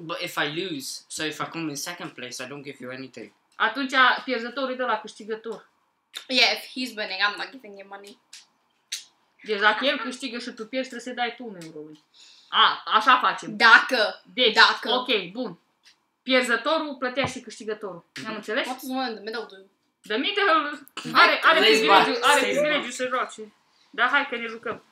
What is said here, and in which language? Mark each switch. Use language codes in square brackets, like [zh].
[en] But if I lose, so if I come in second place, I don't give you anything. [ro] Atunci pierzătorul e de la câștigător. [en] Yeah, if he's winning, I'm not giving him money. [ro] Deci dacă el câștigă și tu pierzi, trebuie să-i dai tu 1€. Așa facem. Dacă. Deci, dacă. Ok, bun. Pierzătorul plătea și câștigătorul. Mm-hmm. Am înțeles? [en] What's the one in the middle? The middle [ro] are privilegiu, are privilegiu să joace. Da, hai că ne jucăm.